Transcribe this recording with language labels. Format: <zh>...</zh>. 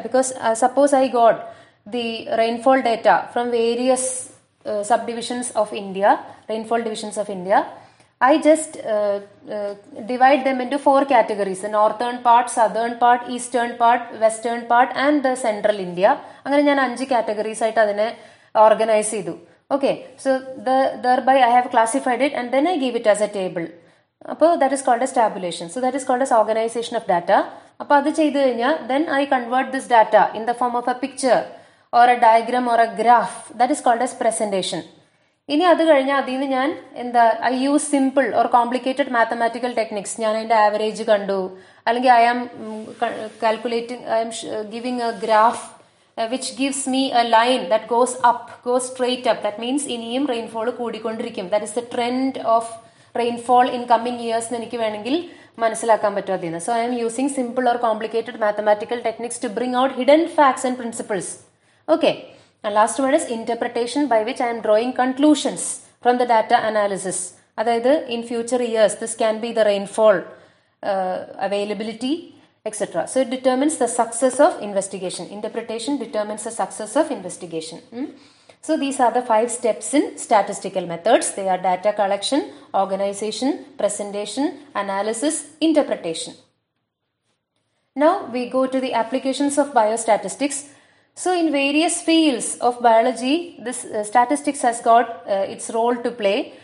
<en>Because suppose I got the rainfall data from various subdivisions of India, rainfall divisions of India, I just divide them into 4 categories, the northern part, southern part, eastern part, western part and the central India.</en> <ml>Angane njan 5 categories aayita adine organize cheythu.</ml> <en>Okay, so thereby I have classified it and then I give it as a table. അപ്പോൾ that is called as tabulation. So that is called as organisation of data.</en> <ml>അപ്പോൾ അത് ചെയ്തു കഴിഞ്ഞാൽ</ml> <en>Then I convert this data in the form of a picture or a diagram or a graph. That is called as presentation.</en> <ml>ഇനി അത് കഴിഞ്ഞാൽ അതിൽ നിന്ന് ഞാൻ എന്താ,</ml> <en>I use simple or complicated mathematical techniques.</en> <ml>ഞാൻ അതിൻ്റെ ആവറേജ് കണ്ടു, അല്ലെങ്കിൽ</ml> <en>I am calculating, I am giving a graph which gives me a line that goes up, goes straight up. That means</en> <ml>ഇനിയും rainfall കൂടിക്കൊണ്ടിരിക്കും.</ml> <en>that is the trend of rainfall in coming years</en> <ml>എന്ന് എനിക്ക് വേണമെങ്കിൽ മനസ്സിലാക്കാൻ പറ്റും അതിൽ നിന്ന്.</ml> <en>So I'm using simple or complicated mathematical techniques to bring out hidden facts and principles. Okay, last word is interpretation by which I'm drawing conclusions from the data analysis. അതായത് in future years this can be the rainfall availability etcetera. So it determines the success of investigation. Interpretation determines the success of investigation. So these are the 5 steps in statistical methods. They are data collection, organization, presentation, analysis, interpretation. Now we go to the applications of biostatistics. So in various fields of biology, this statistics has got its role to play.</en>